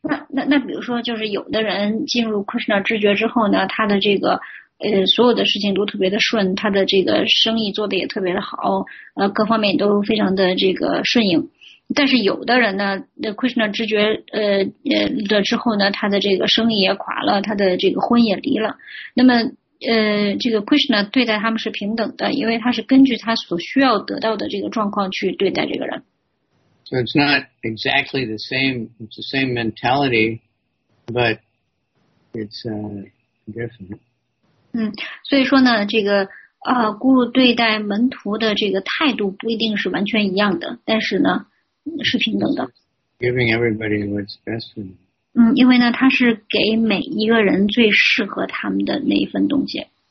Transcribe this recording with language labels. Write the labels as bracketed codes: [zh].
[zh] 那比如说就是有的人进入 Krishna 知觉之后呢，他的这个所有的事情都特别的顺，他的这个生意做得也特别的好，各方面都非常的这个顺应。但是有的人呢 Krishna 知觉的之后呢，他的这个生意也垮了，他的这个婚也离了。那么这个 Krishna 对待他们是平等的，因为他是根据他所需要得到的这个状况去对待这个人。 [en] So it's not exactly the same, it's the same mentality, but it's different. [zh] 所以说呢这个顾对待门徒的这个态度不一定是完全一样的，但是呢是平等的。 [en] Giving everybody what's best for them. [zh] 因为呢他是给每一个人最适合他们的那一份东西。